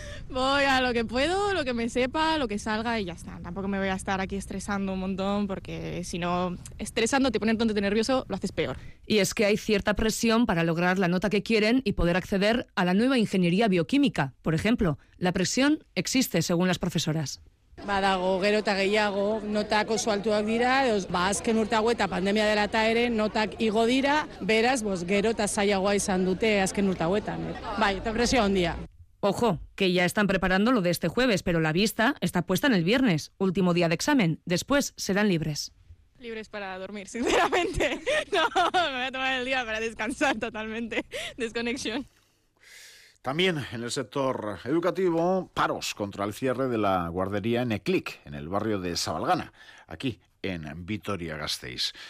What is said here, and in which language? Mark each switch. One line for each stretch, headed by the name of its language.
Spanish: Voy a lo que puedo, lo que me sepa, lo que salga y ya está. Tampoco me voy a estar aquí estresando un montón porque si no, estresándote y poniéndote nervioso, lo haces peor. Y es que hay cierta presión para lograr la nota que quieren y poder acceder a la nueva ingeniería bioquímica. Por ejemplo, la presión existe, según las profesoras.
Basque: Badago, gero eta gehiago, notak oso altuak dira, azken urte hauek eta pandemia dela eta ere, notak igo dira, beraz, gero eta zailagoa izan dute azken urte hauetan. Bai, eta presio handia.
Spanish: Ojo, que ya están preparando lo de este jueves, pero la vista está puesta en el viernes, último día de examen. Después serán libres. Libres para dormir, sinceramente. No, me voy a tomar el día para descansar totalmente. Desconexión. También en el sector educativo, paros contra el cierre de la guardería Neclic, en el barrio de Sabalgana, aquí en Vitoria-Gasteiz.